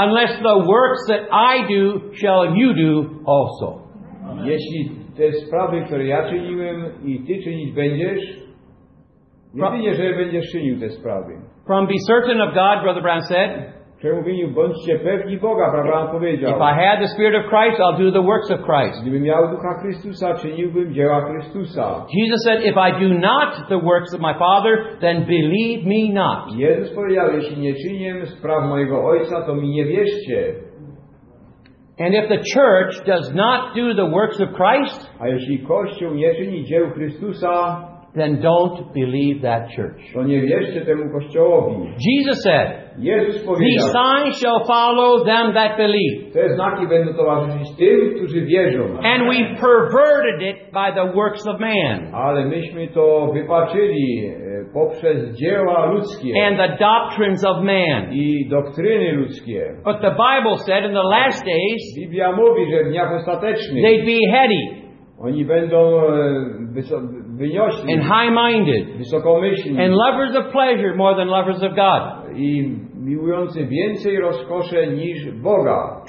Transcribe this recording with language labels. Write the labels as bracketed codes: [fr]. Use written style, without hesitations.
[en] Unless the works that I do shall you do also. Amen. [pl] Jeśli te sprawy, które ja czyniłem i ty czynić będziesz, jedynie, że będziesz czynił te sprawy. [en] From be certain of God, Brother Brown said. [pl] Przemówieniu, bądźcie pewni Boga, Abraham powiedział. [en] If I had the Spirit of Christ, I'll do the works of Christ. [pl] Gdybym miał Ducha Chrystusa, czyniłbym dzieła Chrystusa. [en] Jesus said, if I do not the works of my Father, then believe me not. [pl] Jezus powiedział, jeśli nie czynię spraw mojego Ojca, to mi nie wierzcie. [en] And if the church does not do the works of Christ, [pl] a jeśli Kościół nie czyni dzieł Chrystusa, [en] then don't believe that church. [pl] To nie wierzcie temu kościołowi. [en] Jesus said, [pl] Jezus powiedział, [en] these signs shall follow them that believe. [pl] Te znaki będą towarzyszyć tym, którzy wierzą. [en] And we perverted it by the works of man. [pl] Ale myśmy to wypaczyli poprzez dzieła ludzkie. [en] And the doctrines of man. [pl] I doktryny ludzkie. [en] But the Bible said in the last days, [pl] Biblia mówi, że w dniach ostatecznych, [en] they'd be heady. [pl] Oni będą wyniośli, [en] and high-minded, [pl] wysokomyślni, [en] and lovers of pleasure more than lovers of God. [pl] I miłujący więcej rozkosze niż Boga.